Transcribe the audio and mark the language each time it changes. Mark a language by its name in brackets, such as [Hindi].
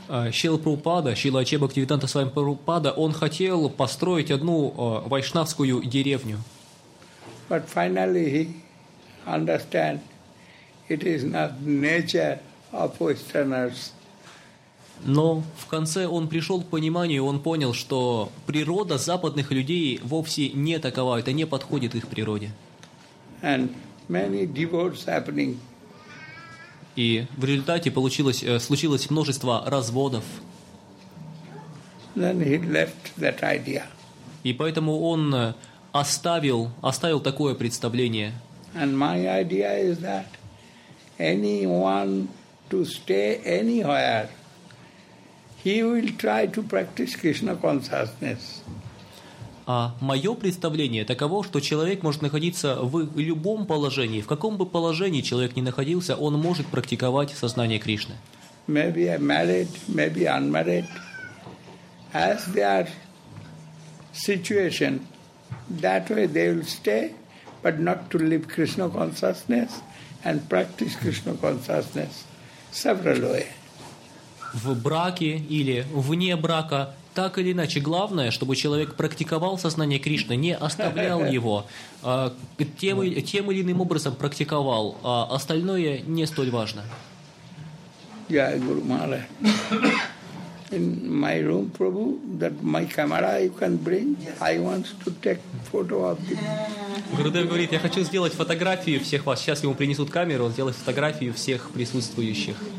[Russian] Шрила Прабхупада, Шрила Ачья Бхактивиданта Свами Прабхупада, он хотел построить одну вайшнавскую деревню. [English] But finally he understand it is not nature of Westerners. [Russian] Но в конце он пришел к пониманию, он понял, что природа западных людей вовсе не такова, это не подходит их природе. [English] And many divorces happening. [Russian] И в результате случилось множество разводов. [English] Then he left that idea. [Russian] И поэтому он оставил такое представление. [English] And my idea is that anyone to stay anywhere, he will try to practice Krishna consciousness. [Russian] А мое представление таково, что человек может находиться в любом положении, в каком бы положении человек ни находился, он может практиковать сознание Кришны. [English] Maybe married, maybe unmarried, as their situation, that way they will stay, but not to live Krishna consciousness and practice Krishna consciousness several way. [Russian] В браке или вне брака. Так или иначе, главное, чтобы человек практиковал сознание Кришны, не оставлял его, тем или иным образом практиковал, а остальное не столь важно. Я Гуру Мале. [English] In my room, Prabhu, that my camera you can bring. I want to take photo of the. [Russian] Гурудев говорит, я хочу сделать фотографию всех вас. Сейчас ему принесут камеру, он сделает фотографию всех присутствующих.